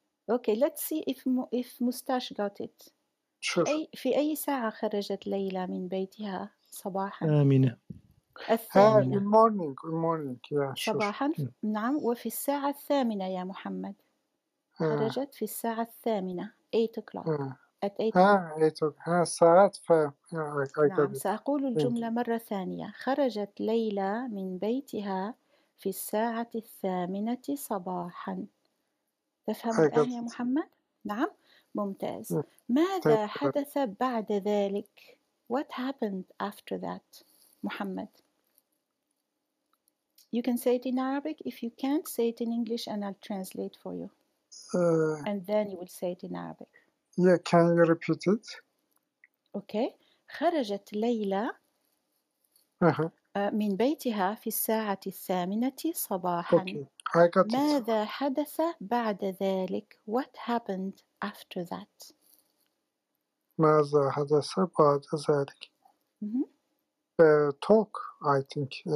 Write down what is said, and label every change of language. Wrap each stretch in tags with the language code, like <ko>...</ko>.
<en>Okay, let's see if Mustache got it. Sure.</en> <ar>في أي ساعة خرجت ليلى من بيتها صباحا؟ آمنة.</ar> <en>In the morning. Yeah, sure.</en> <ar>صباحا. نعم. وفي الساعة الثامنة يا محمد. خرجت في الساعة الثامنة.</ar> <en>8 o'clock. At eight o'clock.</en> <ar>سأقول الجملة مرة ثانية. خرجت ليلى من بيتها في الساعة الثامنة صباحا. تفهم الآن يا محمد؟ نعم. ممتاز. ماذا حدث بعد ذلك؟</ar> <en>What happened after that,</en> <ar>محمد؟ You can say it in Arabic.</ar> <en>If you can't, say it in English and I'll translate for you. And then you will say it in Arabic. Yeah, can you repeat it? Okay.</en> <ar>خرجت ليلى من بيتها في الساعة الثامنة صباحا.</ar> <en>Okay. I got it.</en> <ar>ماذا حدث بعد ذلك؟</ar> <en>What happened after that?</en> <ar>ماذا حدث بعد ذلك؟</ar> <en>Talk, I think.</en>